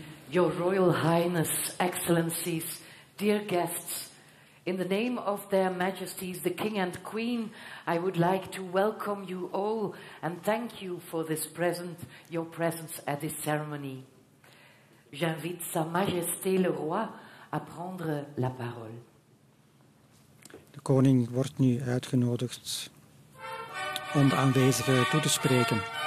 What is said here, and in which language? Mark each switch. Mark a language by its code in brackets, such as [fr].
[en] Your Royal Highness, Excellencies, dear guests, in the name of their Majesties, the King and Queen, I would like to welcome you all and thank you for this present, your presence at this ceremony. [fr] J'invite Sa Majesté le Roi à prendre la parole. [nl] De koning wordt nu uitgenodigd om de aanwezigen toe te spreken.